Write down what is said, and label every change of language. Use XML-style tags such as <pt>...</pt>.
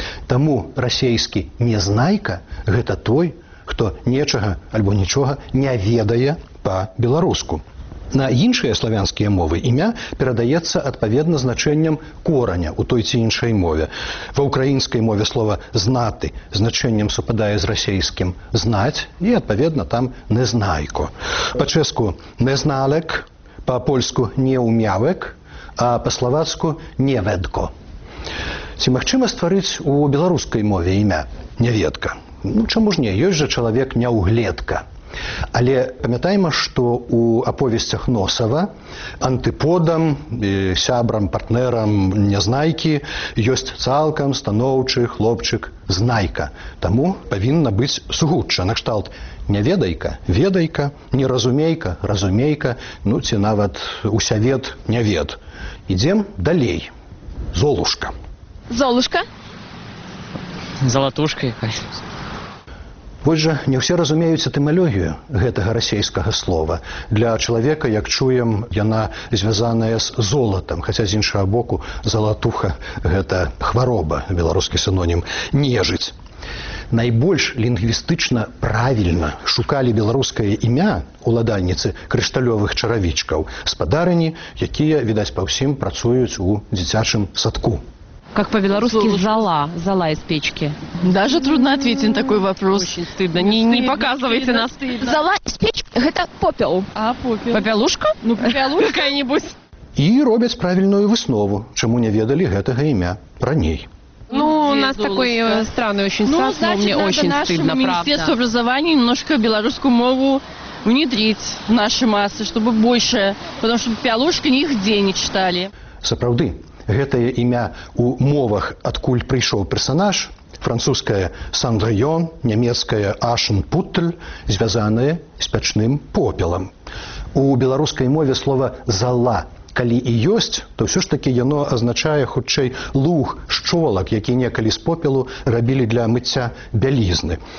<be>Таму расейскі «незнайка» – гэта той, хто нечага альбо нічога не ведае па-беларуску. На іншыя славянскія мовы імя перадаецца адпаведна значэннем кораня ў той ці іншай мове. Ва ўкраінскай мове слова «знаты» значэннем супадае з расейскім «знаць» і адпаведна там «незнайко». Па-чэску «незналек», па-польску «неумявек», а па-славацку «неведко». Ці магчыма стварыць у беларускай мове імя «неведка»? Ну, чаму ж не? Ёсць жа чалавек «няўгледка». Але памятаем, што ў аповесцях Носава антыподам, сябрам, партнерам Незнайкі ёсць цалкам станоўчы хлопчык Знайка. Таму павінна быць сугучча на кшталт «няведайка» – «ведайка», «неразумейка» – «разумейка», ну ці нават «усявед» – «нявед». Ідзем далей. Золушка. Золушка? Золотушка якась. Вось жа, не ўсе разумеюць этымалогію гэтага расейскага слова. Для чалавека, як чуем, яна звязаная з золатам, хаця з іншага боку залатуха – гэта хвароба, беларускі синонім – нежыць. Найбольш лінгвістычна правільна шукалі беларускае імя уладальніцы крышталёвых чаравічкаў, спадарыні, якія, відаць, па ўсім працуюць у дзіцячым садку.</be> <ru>Как по-белорусски «зала», «зала» из печки. Даже трудно ответить на такой вопрос. Очень стыдно. Не показывайте нас. Стыдно. «Зала» из печки – это попел. А, попел. Попелушка? Ну, попелушка какая-нибудь. И робят правильную выснову, чему не ведали этого имя раней. Ну, где у нас Золушка? Такой странный очень сад, значит, мне очень стыдно, правда. Ну, значит, Министерство образования немножко белорусскую мову внедрить в наши массы, чтобы больше, потому что «попелушка» нигде не читали.</ru> <be>Сапраўды. Гэтае імя ў мовах, адкуль прыйшоў персанаж, французская «Сандрайон», нямецкая «Ашенпутль», звязанае з пячным попелам. У беларускай мове слова «зала» калі і ёсць, то ўсё ж такі яно азначае хутчэй луг, шчолак, які некалі з попелу рабілі для мыцця бялізны.</be>